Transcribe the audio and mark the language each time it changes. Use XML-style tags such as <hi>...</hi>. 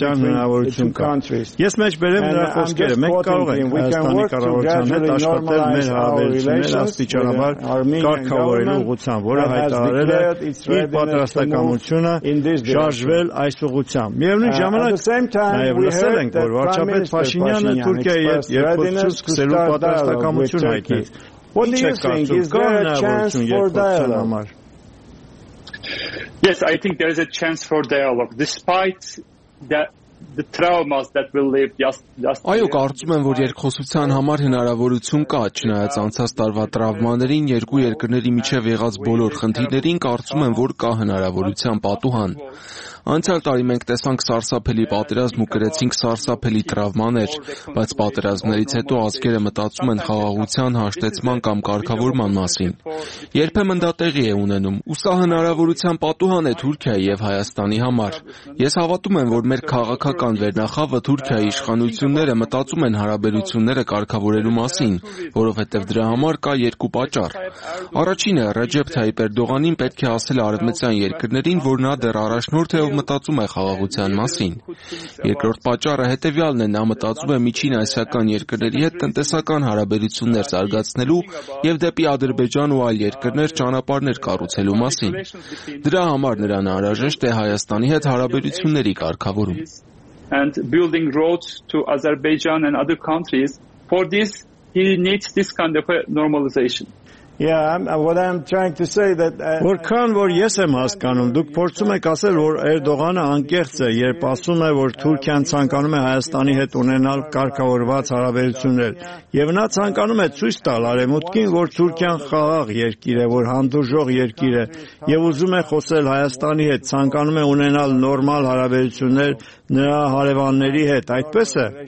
<hy>երկխոսության հնարավորություն կա։ Ես մեջ բերեմ նրա խոսքերը։ Մենք կարող ենք Հայաստանի կառավարության հետ աշխատել մեր հարաբերությունները աստիճանաբար կարգավորելու ուղղությամբ, որը հայտարարել իր պատրաստակամությունը շարժվել այս ուղղությամբ։ Միևնույն ժամանակ նաև լսել ենք, որ վարչապետ Փաշինյանը Թուրքիայի հետ երկխոսություն սկսելու պատրաստակամություն հայտնել։ Ինչ եք կարծում, կա հնարավորություն երկխոսության համար։</hy> <en>Yes, I think there is a chance for dialogue despite that the traumas that will live just</en> <hy>Այո, կարծում եմ, որ երկխոսության համար հնարավորություն կա, չնայած անցած տարվա տրավմաներին, երկու երկրների միջև եղած բոլոր խնդիրներին, կարծում եմ, որ կա հնարավորության պատուհան։ Անցյալ տարի մենք տեսանք սարսափելի պատերազմ ու կրեցինք սարսափելի տրավմաներ, բայց պատերազմներից հետո ազգերը մտածում են խաղաղության, հաշտեցման կամ կարգավորման մասին։ Երբեմն դա տեղի է ունենում, ու սա հնարավորության պատուհան է Թուրքիայի և Հայաստանի համար։ Ես հավատում եմ, որ մեր քաղաքական վերնախավը Թուրքիայի իշխանությունները մտածում են հարաբերությունները կարգավորելու մասին, որովհետև դրա համար կա երկու պատճառ։ Առաջինը, Ռեջեփ Թայյիփ Էրդողանին պետք է ասել արևմտյան երկրներին, որ նա դեռ առաջնորդ է ու մտածում է խաղաղության մասին։ Երկրորդ պատճառը հետևյալն է. Նա մտածում է միջին ասիական երկրների հետ տնտեսական հարաբերություններ զարգացնելու և դեպի Ադրբեջան ու այլ երկրներ ճանապարհներ կառուցելու մասին։ Դրա համար նրան անհրաժեշտ է Հայաստանի հետ հարաբերությունների կարգավորում։</hy> <en>And building roads to Azerbaijan and other countries. For this, he needs this kind of a normalization.</en> <hy>Որքան որ ես եմ հասկանում, դուք փորձում եք ասել, որ Էրդողանը անկեղծ է, երբ ասում է, որ Թուրքիան ցանկանում է Հայաստանի հետ ունենալ կարգավորված հարաբերություններ, եւ նա ցանկանում է ցույց տալ Արևմուտքին, որ Թուրքիան խաղաղ երկիր է, որ հանդուրժող երկիր է, եւ ուզում է խոսել Հայաստանի հետ, ցանկանում է ունենալ նորմալ հարաբերություններ նրա հարևանների հետ, այդպես է։</hy>